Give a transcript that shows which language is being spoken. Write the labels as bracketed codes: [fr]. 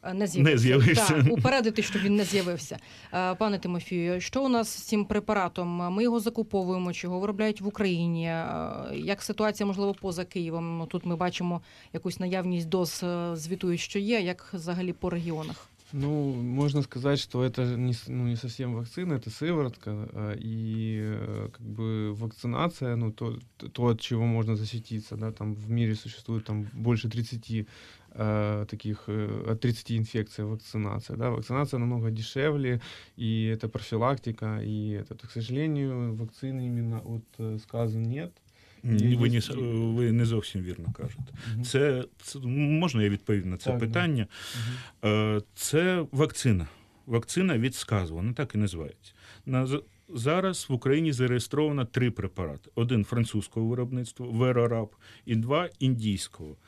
[uk] Не з'явився. Так, упередити, щоб він не з'явився. Пане Тимофію, що у нас з цим препаратом? Ми його закуповуємо, чи його виробляють в Україні? Як ситуація, можливо, поза Києвом? Тут ми бачимо якусь наявність доз, звітують, що є, як взагалі по регіону? [ru] Ну, можно сказать, что это не, ну, не совсем вакцина, это сыворотка, и как бы вакцинация, ну, то, от чего можно защититься, да, там в мире существует там больше 30 таких, от 30 инфекций вакцинация, да, вакцинация намного дешевле, и это профилактика, и это, то, к сожалению, вакцины именно от сказа нет. [uk] Ви не зовсім вірно кажете. Це можна я відповім на це так, питання? Да. Це вакцина. Вакцина від сказу, вона так і називається. Зараз в Україні зареєстровано 3 препарати. Один французького виробництва, Верорап, і 2 індійського.